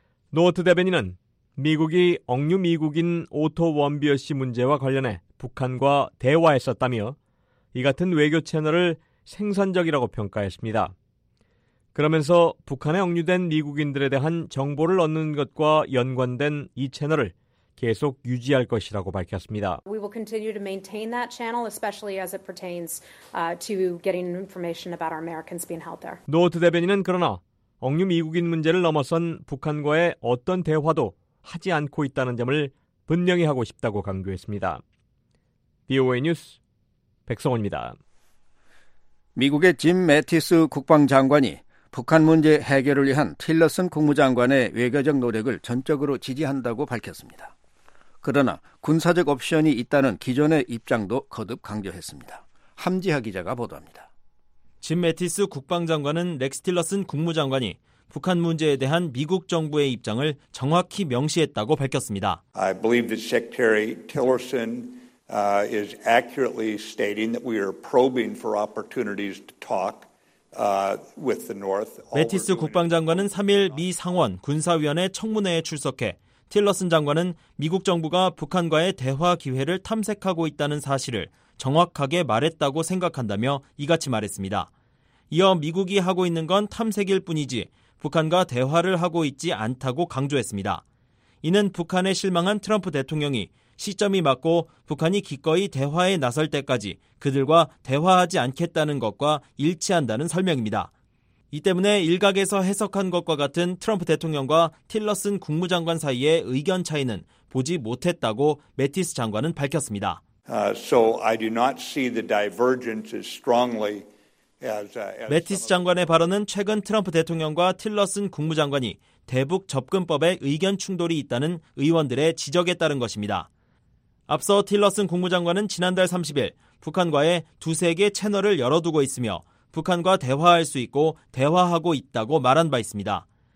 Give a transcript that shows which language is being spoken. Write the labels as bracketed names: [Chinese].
[Korean] 노어트 대변인은 미국이 억류 미국인 오토 원비어 씨 문제와 관련해 북한과 대화했었다며 이 같은 외교 채널을 생산적이라고 평가했습니다. 그러면서 북한에 억류된 미국인들에 대한 정보를 얻는 것과 연관된 이 채널을 계속 유지할 것이라고 밝혔습니다. [English] We will continue to maintain that channel, especially as it pertains to getting information about our Americans being held there. [Korean] 노어트 대변인은 그러나 억류 미국인 문제를 넘어선 북한과의 어떤 대화도 하지 않고 있다는 점을 분명히 하고 싶다고 강조했습니다. BOA 뉴스 백성원입니다. 미국의 짐 매티스 국방장관이 북한 문제 해결을 위한 틸러슨 국무장관의 외교적 노력을 전적으로 지지한다고 밝혔습니다. 그러나 군사적 옵션이 있다는 기존의 입장도 거듭 강조했습니다. 함지하 기자가 보도합니다. 짐 매티스 국방장관은 렉스 틸러슨 국무장관이 북한 문제에 대한 미국 정부의 입장을 정확히 명시했다고 밝혔습니다. [English] I believe that Secretary Tillerson is accurately stating that we are probing for opportunities to talk with the North. [Korean] 매티스 국방장관은 3일 미 상원 군사위원회 청문회에 출석해 틸러슨 장관은 미국 정부가 북한과의 대화 기회를 탐색하고 있다는 사실을 정확하게 말했다고 생각한다며 이같이 말했습니다. 이어 미국이 하고 있는 건 탐색일 뿐이지 북한과 대화를 하고 있지 않다고 강조했습니다. 이는 북한에 실망한 트럼프 대통령이 시점이 맞고 북한이 기꺼이 대화에 나설 때까지 그들과 대화하지 않겠다는 것과 일치한다는 설명입니다. 이 때문에 일각에서 해석한 것과 같은 트럼프 대통령과 틸러슨 국무장관 사이의 의견 차이는 보지 못했다고 매티스 장관은 밝혔습니다. [English] So I do not see the divergence as strongly as [Korean] 매티스 장관의 발언은 최근 트럼프 대통령과 틸러슨 국무장관이 대북 접근법에 의견 충돌이 있다는 의원들의 지적에 따른 것입니다. 앞서 틸러슨 국무장관은 지난달 30일 북한과의 두세 개 채널을 열어두고 있으며 북한과 대화할 수 있고 대화하고 있다고 말한 바 있습니다.